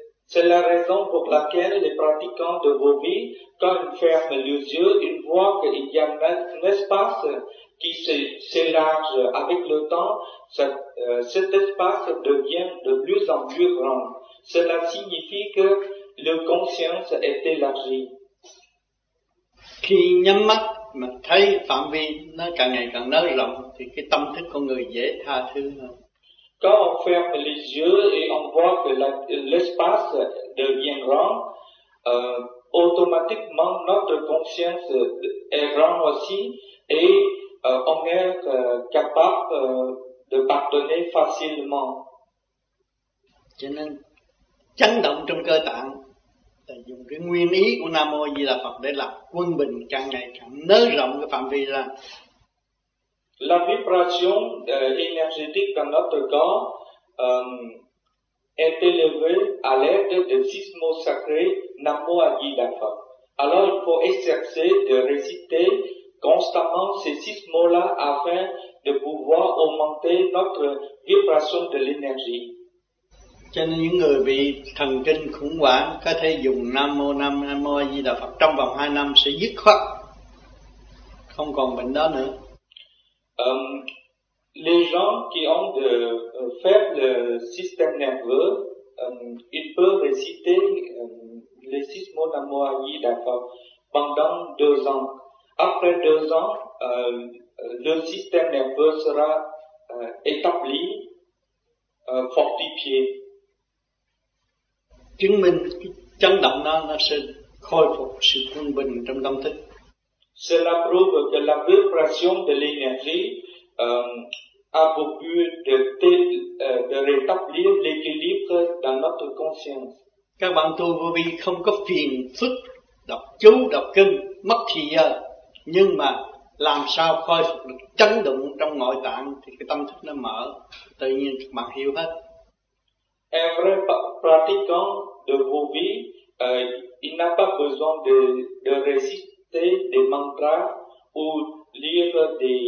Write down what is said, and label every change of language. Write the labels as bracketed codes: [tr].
[fr] C'est la raison pour laquelle les pratiquants de vô vi, quand ils ferment les yeux, ils voient qu'il y a un espace qui s'élargit avec le temps. Cet espace devient de plus en plus grand. Cela signifie que le conscience est élargi. [vi] Khi nhắm mắt mà thấy phạm vi nó càng ngày càng nới rộng thì cái tâm thức con người dễ tha thứ hơn. [fr] Quand on ferme les yeux et on voit que l'espace devient grand, automatiquement notre conscience est grand aussi et on est capable de pardonner facilement. [vi] Cho nên chấn động trong cơ tạng là dùng cái nguyên ý của Nam Mô A Di Đà Phật để lập quân bình càng ngày càng nới rộng cái phạm vi ra. [fr] La vibration énergétique dans notre corps est élevée à l'aide de six mots sacrés Nam Mô A Di Đà Phật. Alors il faut exercer de réciter constamment ces six mots-là afin de pouvoir augmenter notre vibration de l'énergie. [vi] Cho nên những người bị thần kinh khủng hoảng có thể dùng Nam Mô A Di Đà Phật trong vòng 2 năm sẽ dứt khoát, không còn bệnh đó nữa. [fr] Les gens qui ont de faibles systèmes nerveux, ils peuvent réciter les 6 mots Nam Mô A Di Đà Phật pendant 2 ans. Après 2 ans, le système nerveux sera établi, fortifié. [vi] Chứng minh chấn động nó sẽ khôi phục sự quân bình trong tâm thức. [fr] C'est la preuve que la vibration de l'énergie a pour but de rétablir l'équilibre dans notre conscience. [vi] Các bạn tu vô vi không có phiền phức đọc chú, đọc kinh, mất thì giờ. Nhưng mà làm sao khôi phục được chấn động trong nội tạng thì cái tâm thức nó mở. Tự nhiên các bạn hiểu hết. [fr] Every pratiquant de vos vies, il n'a pas besoin de réciter des mantras ou lire